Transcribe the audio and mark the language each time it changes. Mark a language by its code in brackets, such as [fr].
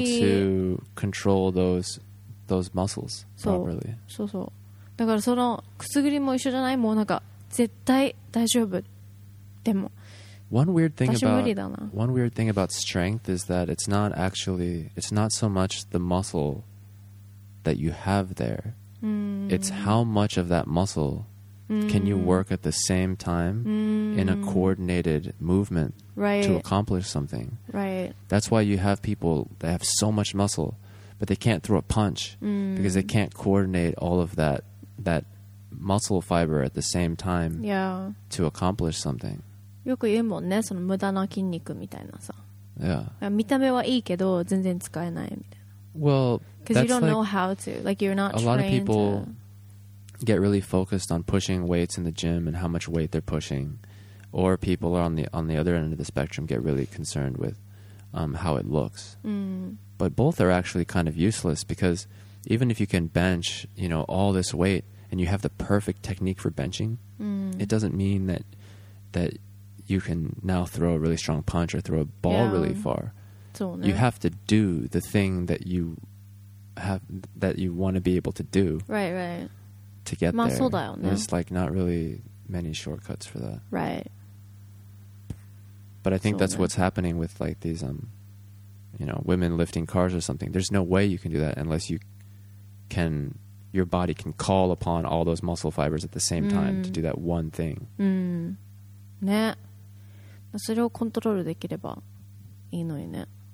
[en] To be able to control those muscles properly. [ja] そうそう。だからそのくすぐりも一緒じゃない？もうなんか絶対大丈夫。でも、 [en] One weird thing about strength is that it's not actually, it's not so much the muscle that you have there. It's how much of that muscle Can you work at the same time in a coordinated movement to accomplish something? Right. That's why you have people that have so much muscle, but they can't throw a punch because they can't coordinate all of that muscle fiber at the same time to accomplish something. [ja] よく言うもんね、その無駄な筋肉みたいなさ。 [en] Yeah. [ja] 見た目はいいけど全然使えないみたいな。 [en] Well, because you don't know how to, like you're not trained. A lot of people get really focused on pushing weights in the gym and how much weight they're pushing, or people are on the other end of the spectrum get really concerned with how it looks. But both are actually kind of useless because even if you can bench, you know, all this weight and you have the perfect technique for benching, it doesn't mean that you can now throw a really strong punch or throw a ball really far. [ja] そうね。 [en] You have to do the thing that you have that you want to be able to do. Right, right. To get [ja] まあそうだよね。 [en] There's like not really many shortcuts for that. Right. But I think that's what's happening with like these you know, women lifting cars or something. There's no way you can do that unless you can your body can call upon all those muscle fibers at the same time to do that one thing. [ja] ね。それをコントロールできればいいのにね。